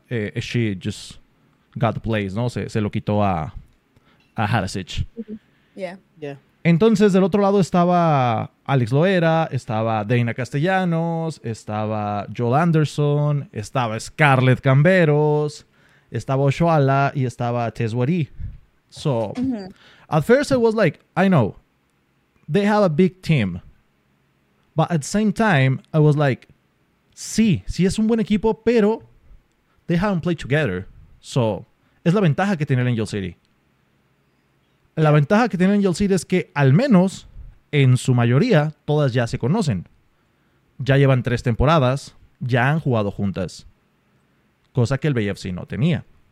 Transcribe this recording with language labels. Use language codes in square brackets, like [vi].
[en] She just got the place, [es] ¿no? Se lo quitó a Harasich. [en] Mm-hmm. Yeah. Yeah. [es] Entonces, del otro lado estaba Alex Loera, estaba Dana Castellanos, estaba Joel Anderson, estaba Scarlett Camberos, estaba Oshuala y estaba Tess Wari. [en] So, mm-hmm. At first it was like, I know, they have a big team. But at the same time, I was like, [es] sí es un buen equipo, pero [en] they haven't played together. So, [es] es la ventaja que tiene el Angel City. La ventaja que tiene el Angel City es que, al menos, en su mayoría, todas ya se conocen. Ya llevan 3 temporadas, ya han jugado juntas. Cosa que el BFC no tenía.